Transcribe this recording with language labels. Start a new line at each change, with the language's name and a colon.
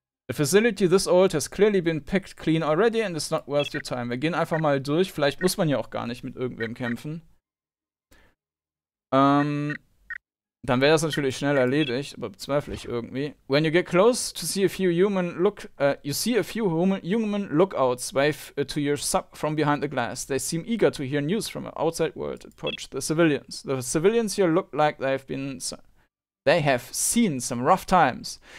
English: A facility this old has clearly been picked clean already and is not worth your time.
German: Wir gehen einfach mal durch. Vielleicht muss man ja auch gar nicht mit irgendwem kämpfen. Dann wäre das natürlich schnell erledigt, aber bezweifle ich irgendwie.
English: When you get close to see a few human look, you see a few human lookouts wave to your sub from behind the glass. They seem eager to hear news from the outside world. Approach the civilians. The civilians here look like they have been, they have seen some rough times.